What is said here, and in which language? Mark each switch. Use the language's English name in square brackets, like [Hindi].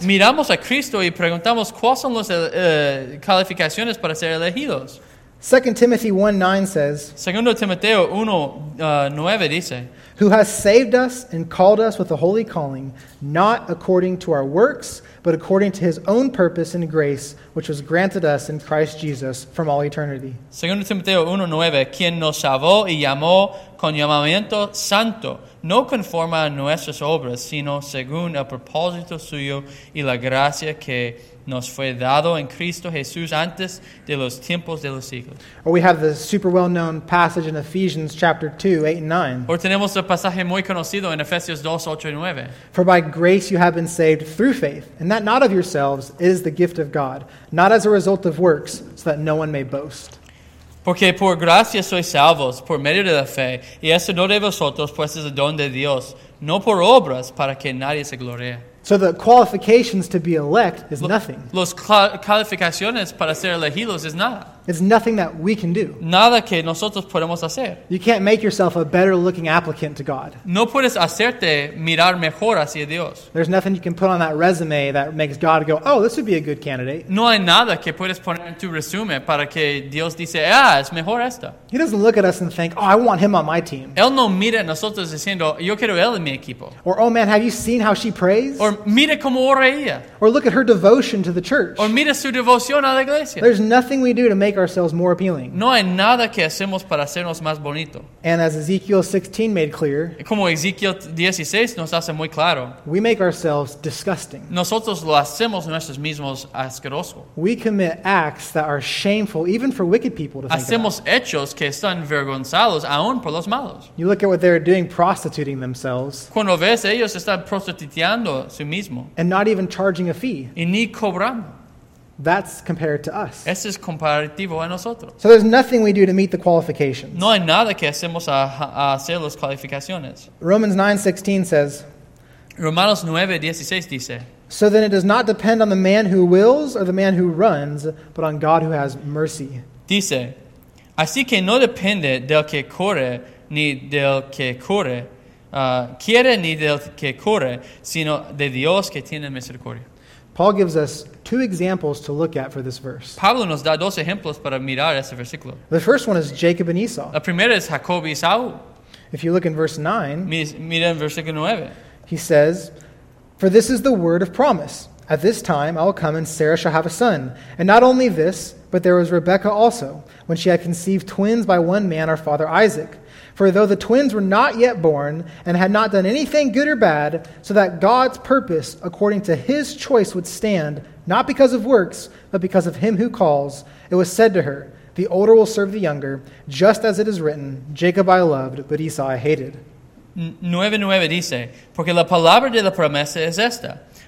[Spanish] Miramos a Cristo y preguntamos cuáles son las calificaciones para ser elegidos. [English] 2 Timothy 1:9 says, [Spanish] Segundo Timoteo 1:9 dice, [English] who has saved us and called us with a holy calling, not according to our works, but according to his own purpose and grace, which was granted us in Christ Jesus from all eternity. [Spanish] Segundo Timoteo 1:9, quien nos salvó y llamó con llamamiento santo, no conforme a nuestras obras, sino según el propósito suyo y la gracia que nos fue dado en Cristo Jesús antes de los tiempos de los siglos. [English] Or we have the super well-known passage in Ephesians chapter 2, 8 and 9. Or [Spanish] tenemos el pasaje muy conocido en Efesios 2, 8 y 9. [English] For by grace you have been saved through faith, and that not of yourselves, is the gift of God, not as a result of works, so that no one may boast. [Spanish] Porque por gracia sois salvos, por medio de la fe, y esto no de vosotros, pues es el don de Dios, no por obras, para que nadie se gloríe. [English] So the qualifications to be elect is nothing. [Spanish] Los calificaciones para ser elegidos es nada. [English] It's nothing that we can do. [Spanish] Nada que nosotros podemos hacer. [English] You can't make yourself a better looking applicant to God. [Spanish] No puedes hacerte mirar mejor hacia Dios. [English] There's nothing you can put on that resume that makes God go, oh, this would be a good candidate. [Spanish] No hay nada que puedes poner en tu resume para que Dios dice, ah, es mejor esta. [English] He doesn't look at us and think, oh, I want him on my team. [Spanish] Él no mira a nosotros diciendo, yo quiero él en mi equipo. [English] Or, oh man, have you seen how she prays? Or, [Spanish] mira cómo ora ella. [English] Or look at her devotion to the church. Or [Spanish] mira su devoción a la iglesia. [English] There's nothing we do to make make ourselves more appealing. [Spanish] No hay nada que hacemos para hacernos más bonito. [English] And as Ezekiel 16 made clear, [Spanish] como Ezekiel 16 nos hace muy claro, [English] we make ourselves disgusting. [Spanish] Nosotros lo hacemos nosotros mismos asqueroso. [English] We commit acts that are shameful even for wicked people to [Spanish] hacemos [English] think about. [Spanish] Hacemos hechos que están vergonzados aún por los malos. [English] You look at what they're doing, prostituting themselves. [Spanish] Cuando ves, ellos están prostituyendo sí mismo. [English] And not even charging a fee. [Spanish] Y ni cobrando. [English] That's compared to us. [Spanish] Eso es comparativo a nosotros. [English] So there's nothing we do to meet the qualifications. [Spanish] No hay nada que hacemos a hacer las calificaciones. [English] Romans 9:16 says, [Spanish] Romanos 9:16 dice, [English] so then it does not depend on the man who wills or the man who runs, but on God who has mercy. [Spanish] Dice, así que no depende del que corre ni del que corre, quiere ni del que corre, sino de Dios que tiene misericordia. [English] Paul gives us two examples to look at for this verse. [Spanish] Pablo nos da dos ejemplos para mirar ese versículo. [English] The first one is Jacob and Esau. [Spanish] La primera es Jacob y Esau. [English] If you look in verse 9, [Spanish] mira en versículo 9. [English] He says, for this is the word of promise. At this time I will come and Sarah shall have a son. And not only this, but there was Rebekah also, when she had conceived twins by one man, our father Isaac. For though the twins were not yet born and had not done anything good or bad, so that God's purpose according to his choice would stand, not because of works, but because of him who calls, it was said to her, the older will serve the younger, just as it is written, Jacob I loved, but Esau I hated. [Spanish] 9:9 dice, porque la palabra de la promesa es esta.